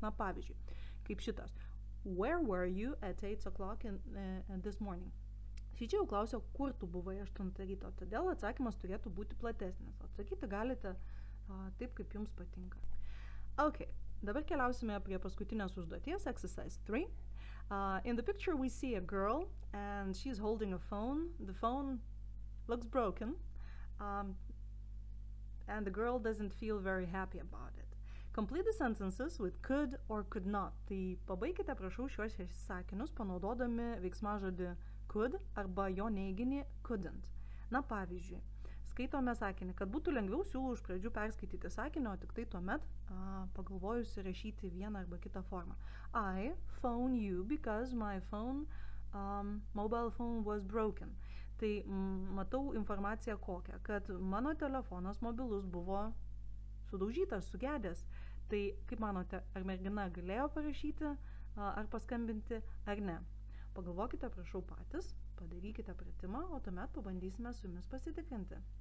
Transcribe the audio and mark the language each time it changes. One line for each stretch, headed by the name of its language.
Lithuanian: Na, pavyzdžiui, kaip šitas.
English: Where were you at 8 o'clock this morning?
Lithuanian: Šičia jau klausiau, kur tu buvai 8 ryto, todėl atsakymas turėtų būti platesnis. Atsakyti galite taip, kaip jums patinka. Ok, dabar keliausime prie paskutinės užduoties, exercise 3.
English: In the picture we see a girl and she's holding a phone. The phone looks broken and the girl doesn't feel very happy about it. Complete the sentences with could or could not.
Lithuanian: Tai pabaikite, prašau, šiuos sakinius panaudodami veiksmažodį could arba jo neiginį couldn't. Na, pavyzdžiui, skaitome sakinį. Kad būtų lengviau, siūlau iš pradžių perskaityti sakinį, o tik tai tuomet pagalvojusi rašyti vieną arba kitą formą.
English: I phone you because my phone, mobile phone was broken.
Lithuanian: Tai matau informaciją kokią, kad mano telefonas mobilus buvo sudaužytas, sugedęs. Tai kaip manote, ar mergina galėjo parašyti, ar paskambinti, ar ne? Pagalvokite, prašau, patys, padarykite pratimą, o tuomet pabandysime su jumis pasitikrinti.